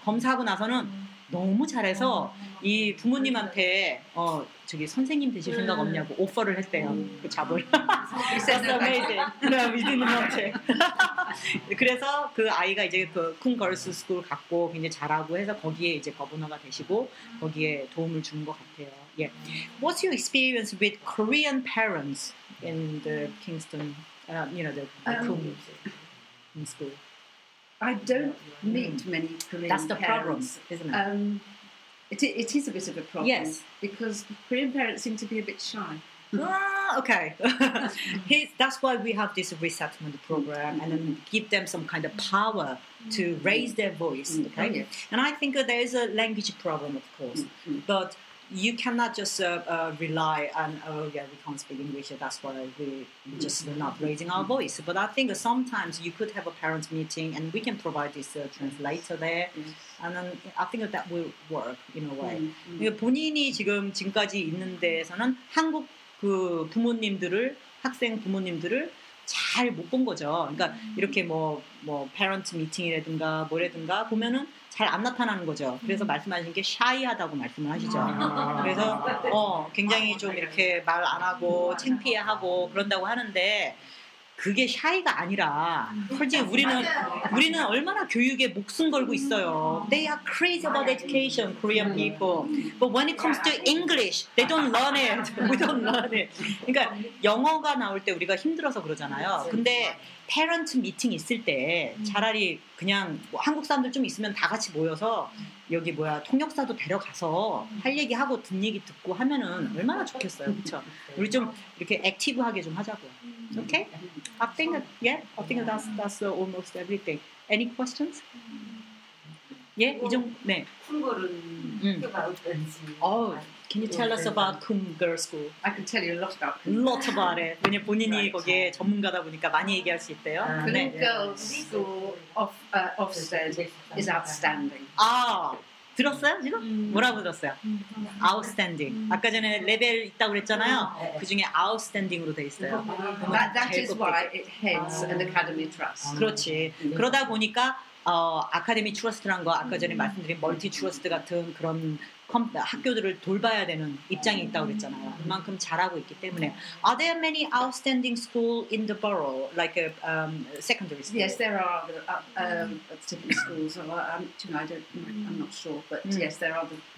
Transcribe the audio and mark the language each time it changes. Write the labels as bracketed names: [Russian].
[Korean] 검사하고 나서는 너무 잘해서 이 부모님한테 저기 선생님 되실 생각 없냐고 오퍼를 했대요. 그 잡을. [English] That's amazing. No, we didn't want it. [Korean] 그래서 그 아이가 이제 그 쿵 걸스 스쿨 갔고 굉장히 잘하고 해서 거기에 이제 거부너가 되시고 거기에 도움을 준 것 같아요. [English] Yeah. What's your experience with Korean parents in the Kingston, you know, the Kung in school? I don't meet many Korean parents. That's the parents. Problem, isn't it? It is a bit of a problem. Yes. Because Korean parents seem to be a bit shy. Okay. That's why we have this resettlement program and then give them some kind of power to raise their voice. Okay. Yeah. And I think there is a language problem, of course. But you cannot just rely on, we can't speak English, that's why we're just not raising our voice. But I think sometimes you could have a parents meeting and we can provide this translator there. Yes. And then I think that will work in a way. Mm-hmm. [Korean] 본인이 지금까지 있는 데에서는 한국 그 부모님들을, 학생 부모님들을 잘 못 본 거죠. 그러니까 이렇게 뭐 parents meeting이라든가 뭐라든가 보면은 잘 안 나타나는 거죠. 그래서 말씀하신 게 shy하다고 말씀을 하시죠. 그래서 굉장히 좀 이렇게 말 안 하고 창피해하고 그런다고 하는데 그게 shy가 아니라 솔직히 우리는 얼마나 교육에 목숨 걸고 있어요. [English] They are crazy about education, Korean people. But when it comes to English, they don't learn it. We don't learn it. [Korean] 그러니까 영어가 나올 때 우리가 힘들어서 그러잖아요. 근데 parent meeting 있을 때 차라리 그냥 한국 사람들 좀 있으면 다 같이 모여서 여기 뭐야 통역사도 데려가서 할 얘기 하고 듣 얘기 듣고 하면은 얼마나 좋겠어요, 그렇죠? 우리 좀 이렇게 액티브하게 좀 하자고. [English] Okay? I think yeah. I think that's almost everything. Any questions? [Korean] 예, 이정 네. 쿵걸은 학교 가고 있는지. [English] Can you tell us about Kung Girls School? I can tell you a lot about Kung. Lot about it. [Korean] 왜냐 본인이 [English] right. [Korean] 거기에 전문가다 보니까 많이 얘기할 수 있대요. [English] Kung Girls School of Ofsted is outstanding. [Korean] 아, 들었어요 지금? 뭐라고 들었어요? Outstanding. 아까 전에 레벨 있다고 그랬잖아요. 그 중에 outstanding으로 돼 있어요. [English] That is why it heads an academy trust. [Korean] 그렇지. 그러다 보니까 아카데미 트러스트란 거 아까 전에 말씀드린 멀티 트러스트 같은 그런 학교들을 돌봐야 되는 입장이 있다고 그랬잖아요. 그만큼 잘하고 있기 때문에. [English] Are there many outstanding schools in the borough, like a secondary school? Yes, there are different schools. I'm not sure, but yes, there are the